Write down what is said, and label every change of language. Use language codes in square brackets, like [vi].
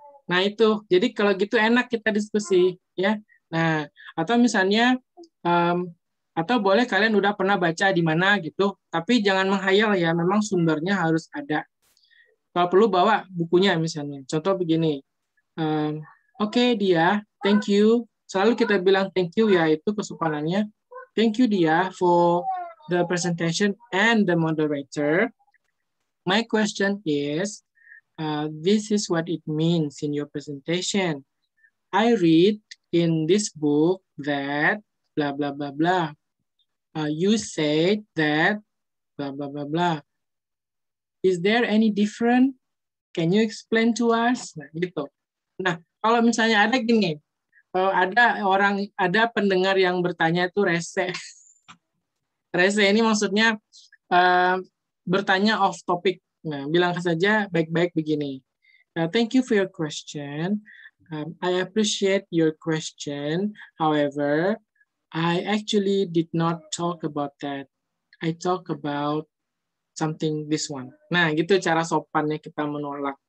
[id] Nah itu, jadi kalau gitu enak kita diskusi, ya. Nah, atau misalnya, atau boleh kalian udah pernah baca di mana gitu, tapi jangan menghayal ya. Memang sumbernya harus ada. Kalau perlu bawa bukunya misalnya. Contoh begini. [en] Okay, Dia, thank you. [id] Selalu kita bilang thank you ya, itu kesopanannya. [en] Thank you, Dia, for the presentation and the moderator. My question is, this is what it means in your presentation. I read in this book that blah, blah, blah, blah. You said that blah, blah, blah, blah. Is there any different? Can you explain to us? [id] Nah, gitu. Nah, kalau misalnya ada gini, ada orang, ada pendengar yang bertanya itu rese. Rese ini maksudnya bertanya off topic. Nah, bilang saja baik-baik begini. [en] Thank you for your question. I appreciate your question. However, I actually did not talk about that. I talk about something this one. [id] Nah, gitu cara sopannya kita menolak.